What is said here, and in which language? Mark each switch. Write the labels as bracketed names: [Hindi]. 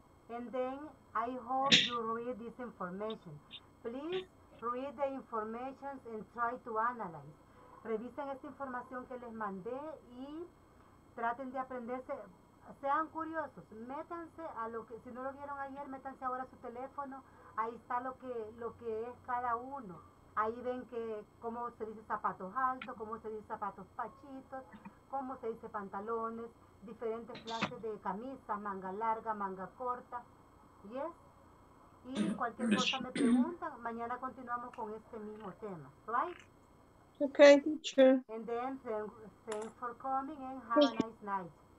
[English] And then I hope you read this information. Please read the information and try to analyze. [Spanish] Revisen esta información que les mandé y traten de aprenderse. Sean curiosos, métanse a lo que, si no lo vieron ayer, métanse ahora a su teléfono, ahí está lo que es cada uno. Ahí ven que cómo se dice zapatos altos, cómo se dice zapatos pachitos, cómo se dice pantalones, diferentes clases de camisas, manga larga, manga corta, ¿yes? Y cualquier cosa me preguntan, mañana continuamos con este mismo tema, ¿right? [English] Okay, sure. And then, thanks for coming and have a nice night.